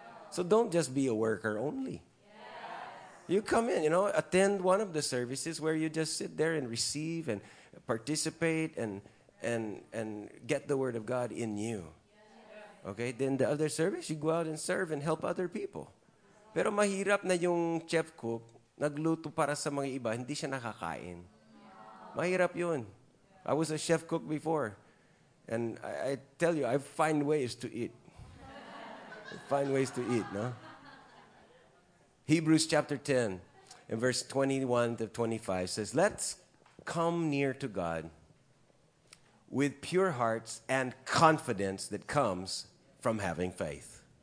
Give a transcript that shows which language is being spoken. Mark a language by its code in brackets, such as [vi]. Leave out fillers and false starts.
[en] So don't just be a worker only. You come in, you know, attend one of the services where you just sit there and receive and participate and get the word of God in you. Okay, then the other service, you go out and serve and help other people. [tl] Pero mahirap na yung chef cook, nagluto para sa mga iba, hindi siya nakakain. Mahirap yun. [en] I was a chef cook before. And I tell you, I find ways to eat. I find ways to eat, no? Hebrews chapter 10, and verse 21 to 25 says, let's come near to God with pure hearts and confidence that comes from having faith.